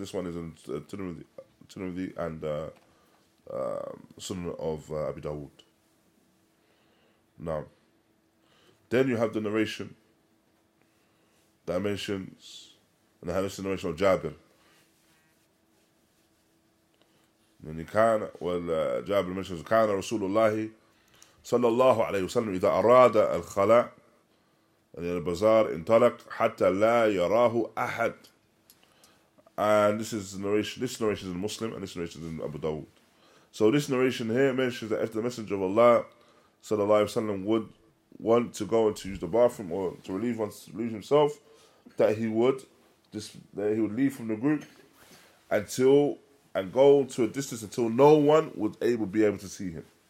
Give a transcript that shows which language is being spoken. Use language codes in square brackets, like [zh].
[en] This one is in Tirmidhi and Sunnah of Abi Dawud. Now, then you have the narration that mentions, and the hadith narration of Jabir. When he can, well, Jabir mentions, [ar] كان رسول الله صلى الله عليه وسلم إذا أراد الخلاء [en] and the bazaar [ar] انطلق حتى لا يراه أحد. [en] And this is narration. This narration is in Muslim, and this narration is in Abu Dawud. So this narration here mentions that if the Messenger of Allah, sallallahu alaihi wasallam, would want to go and to use the bathroom or to relieve himself, that he would leave from the group and go to a distance until no one would be able to see him.